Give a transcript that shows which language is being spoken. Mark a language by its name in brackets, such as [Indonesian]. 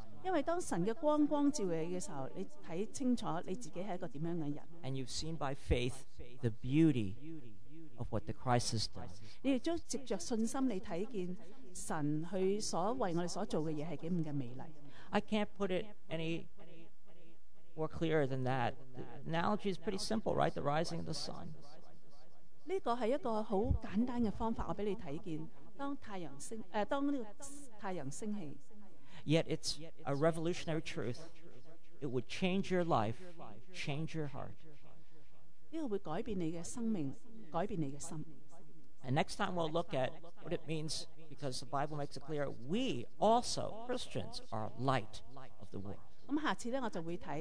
[Chinese] 因為當神的光光照耀你的時候，你看清楚你自己是一個怎樣的人。 [English] And you've seen by faith the beauty of what the Christ has done. [Chinese] 你亦都藉著信心，你看見神去所為我們所做的事是多麼的美麗。 [English] I can't put it any more clearer than that. The analogy is pretty simple, right? The rising of the sun. [Chinese] 這是一個很簡單的方法，我給你看見，當太陽升起。 [English] Yet it's a revolutionary truth. It would change your life, change your heart. [Chinese] 這個會改變你的生命，改變你的心。 [English] And next time we'll look at what it means, because the Bible makes it clear, we also, Christians, are light of the world.